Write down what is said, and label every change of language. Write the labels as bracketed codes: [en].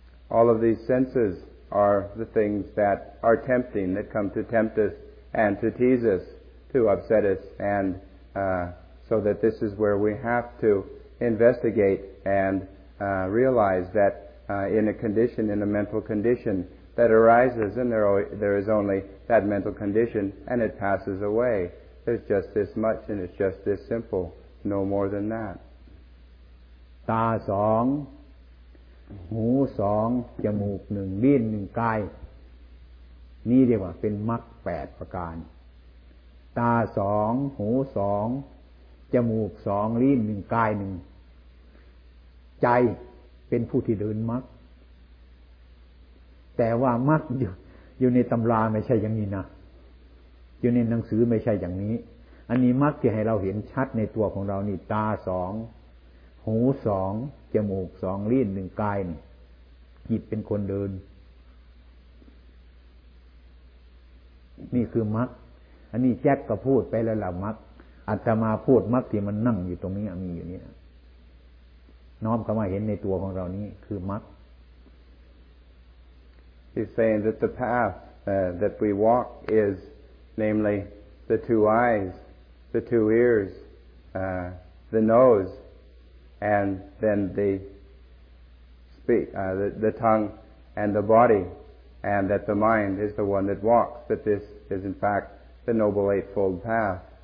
[en] All of these senses are the things that are tempting that come to tempt us and to tease us to upset us and so that this is where we have to investigate and realize that in a condition in a mental condition that arises and there is only that mental condition and it passes awayIt's just this much, and it's just this simple, no more than that. [th] ตาสองหูสองจมูกหนึ่งลิ้นหนึ่งกายนี่เรียกว่าเป็นมรรคแปดประการตาสองหูสองจมูกสองลิ้นหนึ่งกายหนึ่งใจเป็นผู้ที่เดินมรรค แต่ว่ามรรคอยู่ในตำราไม่ใช่อย่างนี้นะอยู่ในหนังสือไม่ใช่อย่างนี้อันนี้มรรคที่ให้เราเห็นชัดในตัวของเรานี่ตาสองหูสองจมูกสองลิ้นหนึ่งกายนี่จิตเป็นคนเดิน นี่คือมรรคอันนี้แจ็คก็พูดไปแล้วล่ะมรรคอาตมาพูดมรรคที่มันนั่งอยู่ตรงนี้มีอยู่นี่น้อมเข้ามาเห็นในตัวของเรานี่คือมรรค [en] He's saying that the path that we walk isNamely, the two eyes, the two ears, the nose, and then the tongue and the body, and that the mind is the one that walks, that this is in fact the Noble Eightfold Path.